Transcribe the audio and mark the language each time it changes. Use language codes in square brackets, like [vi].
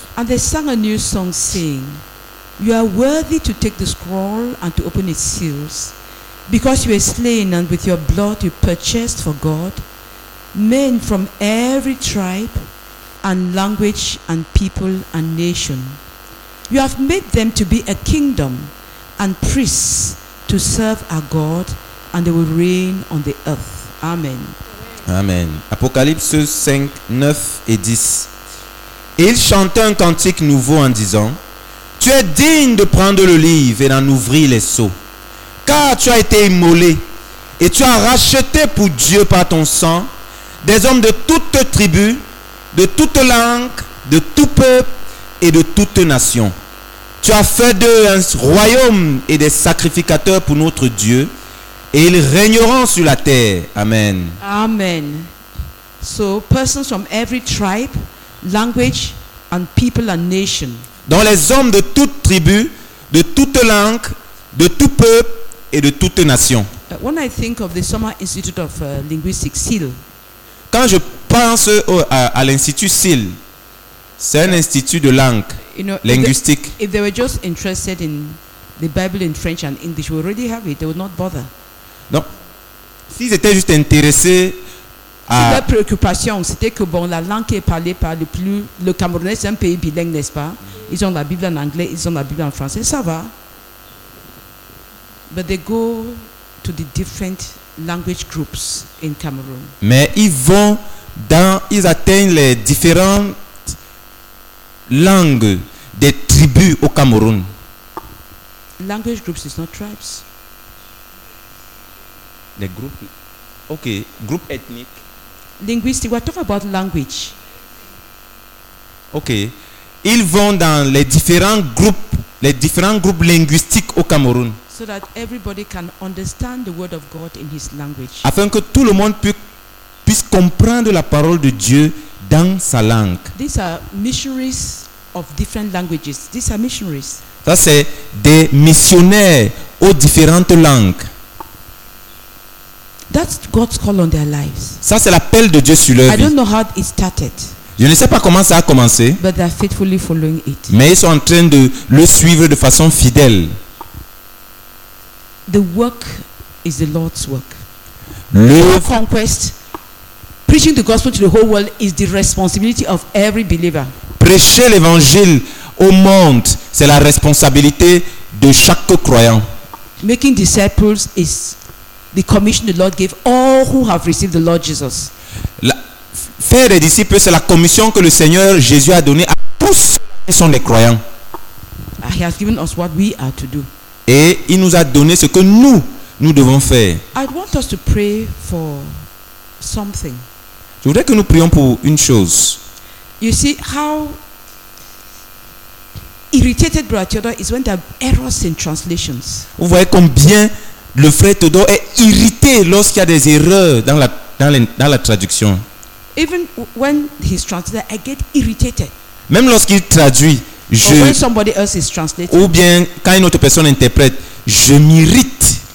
[en] And they sang a new song saying, you are worthy to take the scroll and to open its seals, because you were slain and with your blood you purchased for God men from every tribe and language and people and nation. You have made them to be a kingdom and priests to serve our God, and they will reign on the earth. Amen. [fr] Amen. Apocalypse 5, 9 et 10. Et ils chantaient un cantique nouveau en disant, tu es digne de prendre le livre et d'en ouvrir les seaux, car tu as été immolé et tu as racheté pour Dieu par ton sang des hommes de toute tribu, de toute langue, de tout peuple et de toute nation. Tu as fait d'eux un royaume et des sacrificateurs pour notre Dieu, et ils régneront sur la terre. Amen. Amen. [en] So, persons from every tribe, language, and people and nation. [fr] Dans les hommes de toute tribu, de toute langue, de tout peuple et de toute nation. [en] When I think of the Summer Institute of Linguistics, SIL. [fr] Quand je pense à l'Institut SIL, c'est un institut de langue, [en] you know, [fr] linguistique. [en] If they were just interested in the Bible in French and English, we already have it. They would not bother. [fr] Non. S'ils étaient juste intéressés à. Si leur préoccupation, c'était que bon, la langue qui est parlée par le plus. Le Camerounais, c'est un pays bilingue, n'est-ce pas? Ils ont la Bible en anglais, ils ont la Bible en français, ça va. [en] But they go to the different language groups in Cameroon. [fr] Mais ils vont dans. Ils atteignent les différentes langues des tribus au Cameroun. [en] Language groups is not tribes. [fr] Les groupes. Ok, groupe ethnique. [en] Linguistic, we're talking about language. Ok. [fr] Ils vont dans les différents groupes linguistiques au Cameroun. [en] So that everybody can understand the word of God in his language. [fr] Afin que tout le monde puisse comprendre la parole de Dieu dans sa langue. [en] These are missionaries of different languages. These are missionaries. [fr] Ça c'est des missionnaires aux différentes langues. [en] That's God's call on their lives. [fr] Ça c'est l'appel de Dieu sur leur vie. [en] I don't know how it started. [fr] Je ne sais pas comment ça a commencé. [en] But they are faithfully following it. [fr] Mais ils sont en train de le suivre de façon fidèle. [en] The work is the Lord's work. Our conquest, preaching the gospel to the whole world, is the responsibility of every believer. [fr] Prêcher l'évangile au monde, c'est la responsabilité de chaque croyant. [en] Making disciples is the commission the Lord gave all who have received the Lord Jesus. [fr] Faire des disciples, c'est la commission que le Seigneur Jésus a donnée à tous qui sont des croyants. [en] He has given us what we are to do. [fr] Et il nous a donné ce que nous devons faire. [en] I want us to pray for something. [fr] Je voudrais que nous prions pour une chose. [en] You see how irritated Brother Theodore is when there are errors in translations. [fr] Vous voyez combien le frère Theodore est irrité lorsqu'il y a des erreurs dans la traduction. [en] Even when he's translated, I get irritated. [fr] Même lorsqu'il traduit, je. [en] Or when somebody else is translating. [fr] Ou bien quand une autre personne interprète, je m'irrite.